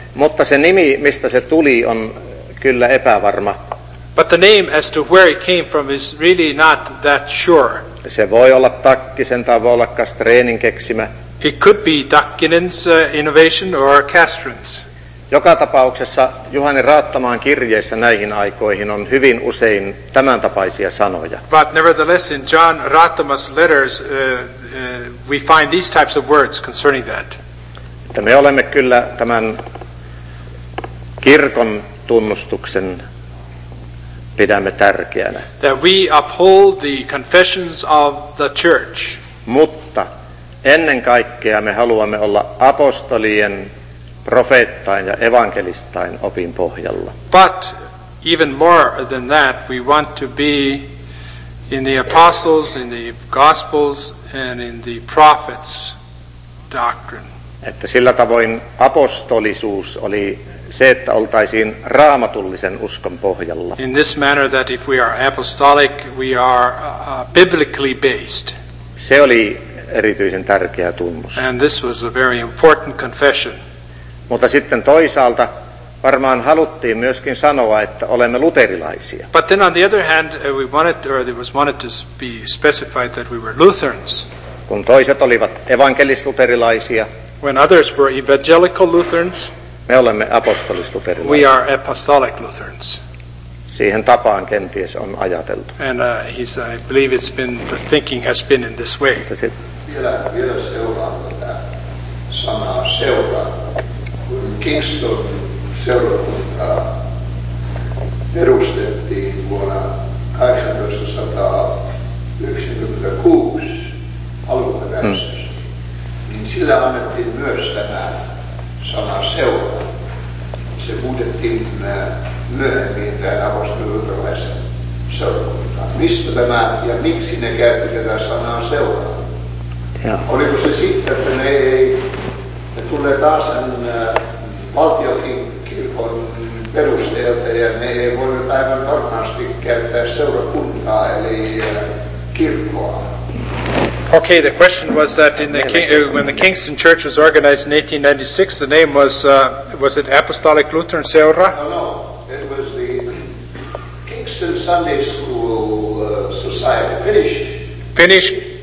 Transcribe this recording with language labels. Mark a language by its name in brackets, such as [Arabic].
[Finnish] Mutta se nimi, mistä se tuli, on kyllä epävarma. [English] But the name as to where it came from is really not that sure. [Finnish] Se voi olla Takkisen tai voi olla Kastreenin keksimä. [English] It could be Takkinen's innovation or Kastren's. [Finnish] Joka tapauksessa Juhani Raattamaan kirjeissä näihin aikoihin on hyvin usein tämän tapaisia sanoja. [English] But nevertheless in John Raattama's letters we find these types of words concerning that. [Finnish] Että me olemme kyllä tämän kirkon tunnustuksen pidämme tärkeänä. [English] That we uphold the confessions of the church. [Finnish] Mutta ennen kaikkea me haluamme olla apostolien, profeettain ja evankelistain opin pohjalla. [English] But even more than that, we want to be in the apostles, in the gospels, and in the prophets' doctrine. [Finnish] Että sillä tavoin apostolisuus oli se, että oltaisiin raamatullisen uskon pohjalla. [English] In this manner that if we are apostolic, we are biblically based. [Finnish] Se oli erityisen tärkeä tunnus. [English] And this was a very important confession. [Finnish] Mutta sitten toisaalta varmaan haluttiin myöskin sanoa, että olemme luterilaisia. [English] But then on the other hand, we wanted, or it was wanted to be specified that we were Lutherans. [Finnish] Kun toiset olivat evankelis-luterilaisia. [English] When others were evangelical Lutherans. [Finnish] Me olemme apostolisluterilaisia. [English] We are apostolic Lutherans. [Finnish] Siihen tapaan kenties on ajateltu. [English] And I believe it's been, the thinking has been in this way. [Finnish] Vielä seuraa tätä sanaa seuraa. Kingston seurakunta perustettiin vuonna 1896 alkuperäisessä. Niin sillä annettiin myös tämä sana seuraa. Se muutettiin myöhemmin tämän apostolilutralaisen seurakuntaan. Mistä tämä ja miksi ne käytetään sanaa seuraa? Oliko se sitten, että ne tulee taas valtiokin kirkon perusteelta ja ne ei voi aivan varmasti käyttää seurakuntaa eli kirkkoa? [English] Okay, the question was that in the when the Kingston Church was organized in 1896, the name was it Apostolic Lutheran Seura? No, it was the Kingston Sunday School Society, Finnish. Finnish?